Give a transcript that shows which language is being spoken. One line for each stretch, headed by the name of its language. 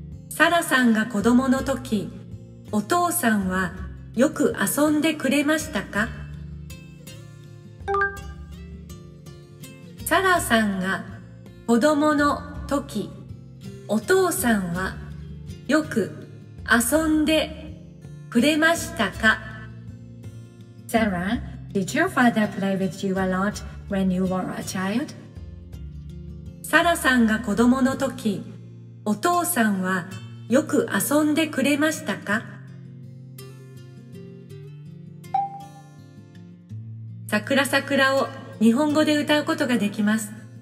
Japanese: サラさんが子供の時、お父さんはよく遊んでくれましたか？サラさんが子供の時、お父さんはよく遊んでくれましたか？
English: サラ、Did your father play with you a lot? When you were a child?
Japanese: サラさんが子供の時、お父さんはよく遊んでくれましたか？桜桜を日本語で歌うことができます。